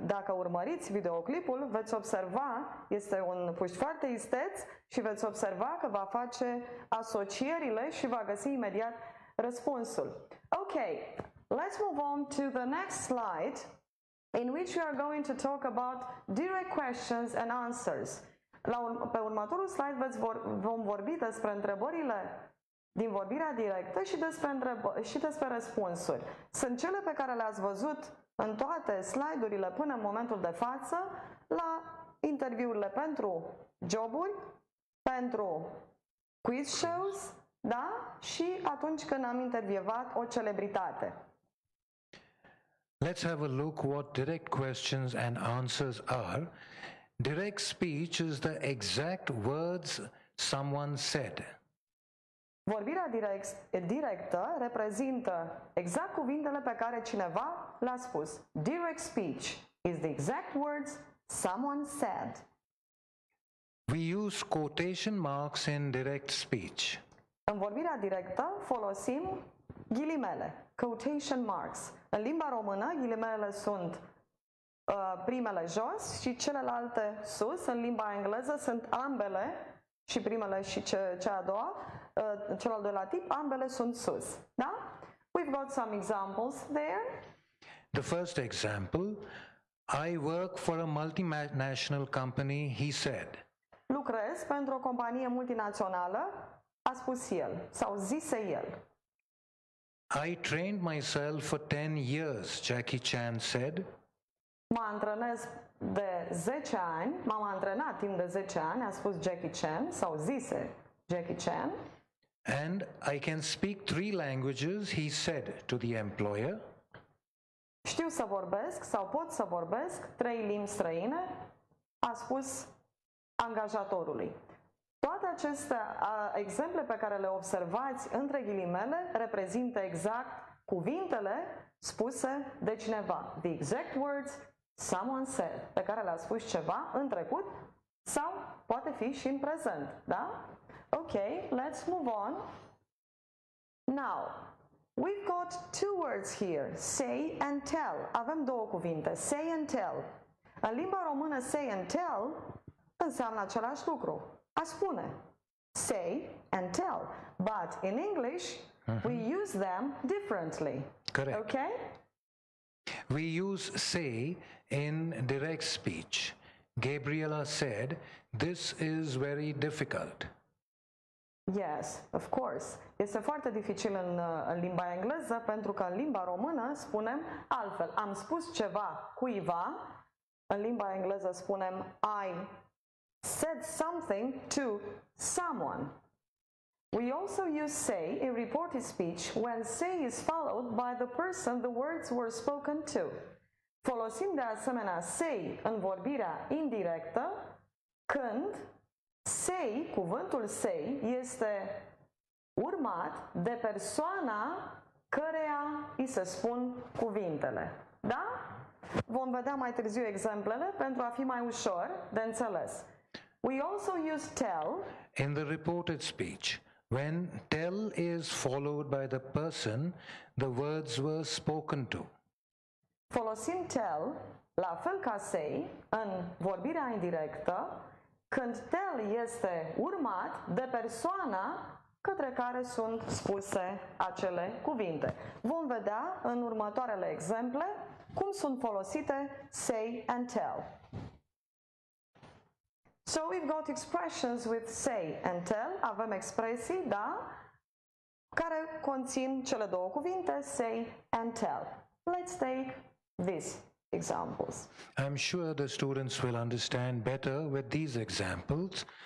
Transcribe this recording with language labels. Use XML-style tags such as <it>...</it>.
<ro>Dacă urmăriți videoclipul, veți observa, este un puști foarte isteț și veți observa că va face asocierile și va găsi imediat răspunsul.</ro> <en>Ok, let's move on to the next slide, in which we are going to talk about direct questions and answers.</en> <ro>Pe următorul slide vom vorbi despre întrebările din vorbirea directă și despre răspunsuri. Sunt cele pe care le-ați văzut în toate slide-urile până în momentul de față, la interviurile pentru joburi, pentru quiz shows, da? Și atunci când am intervievat o celebritate.</ro> <en>Let's have a look what direct questions and answers are. Direct speech is the exact words someone said.</en> <ro>Vorbirea directă reprezintă exact cuvintele pe care cineva l-a spus.</ro> <en>Direct speech is the exact words someone said. We use quotation marks in direct speech.</en> <ro>În vorbirea directă folosim ghilimele, quotation marks. În limba română, ghilimele sunt primele jos și celelalte sus. În limba engleză sunt ambele, și primele și cea a doua, cel al doilea tip, ambele sunt sus.</ro> <en>Da? We've got some examples there. The first example, I work for a multinational company, he said.</en> <ro>Lucrez pentru o companie multinațională, a spus el, sau zise el.</ro> <en>I trained myself for 10 years, Jackie Chan said.</en> <ro>Mă antrenez de 10 ani, m-am antrenat timp de 10 ani, a spus Jackie Chan, sau zise Jackie Chan.</ro> <en>And I can speak 3 languages, he said to the employer.</en> <ro>Știu să vorbesc sau pot să vorbesc 3 limbi străine, a spus angajatorului. Toate aceste exemple pe care le observați între ghilimele reprezintă exact cuvintele spuse de cineva.</ro> <en>The exact words someone said,</en> <ro>pe care le-a spus ceva în trecut sau poate fi și în prezent, da?</ro> <en>Ok, let's move on. Now, we've got two words here, say and tell.</en> <ro>Avem două cuvinte, say and tell. În limba română, say and tell înseamnă același lucru, a spune.</ro> <en>Say and tell. But in English, we use them differently. Correct. Ok? We use say in direct speech. Gabriela said, this is very difficult. Yes, of course.</en> <ro>Este foarte dificil în limba engleză, pentru că în limba română spunem altfel. Am spus ceva cuiva, în limba engleză spunem</ro> <en>I said something to someone. We also use say in reported speech when say is followed by the person the words were spoken to.</en> <ro>Folosim de asemenea say în vorbirea indirectă când say, cuvântul say, este urmat de persoana căreia îi se spun cuvintele. Da? Vom vedea mai târziu exemplele pentru a fi mai ușor de înțeles.</ro> <en>We also use tell in the reported speech. When tell is followed by the person the words were spoken to.</en> <ro>Folosim tell, la fel ca say, în vorbirea indirectă, când tell este urmat de persoana către care sunt spuse acele cuvinte. Vom vedea în următoarele exemple cum sunt folosite say and tell.</ro> <en>So we've got expressions with say and tell.</en> <ro>Avem expresii, da? care conțin cele două cuvinte, say and tell.</ro> <en>Let's take these examples. I'm sure the students will understand better with these examples.</en>